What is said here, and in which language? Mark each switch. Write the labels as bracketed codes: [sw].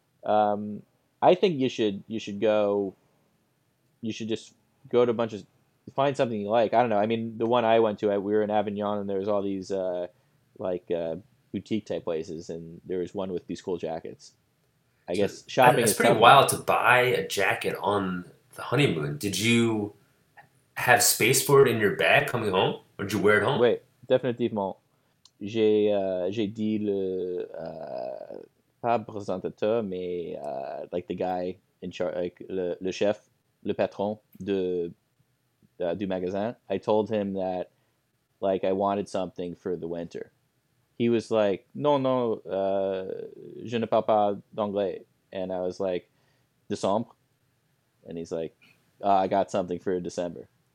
[en] I think you should just go to a bunch of find something you like. I don't know. I mean, the one I went to, we were in Avignon, and there was all these boutique type places, and there was one with these cool jackets. I guess shopping. It's pretty wild to buy a jacket on the honeymoon. Did you have space for it in your bag coming home, or did you wear it home? Wait, [fr] définitivement. J'ai dit le pas présentateur, mais [en] like the guy in charge, like [fr] le chef, le patron du magasin. [en] I told him that, like, I wanted something for the winter. He was like, [fr] "Non, non, je ne parle pas d'anglais." [en] And I was like, "Décembre," and he's like, "Oh, I got something for December."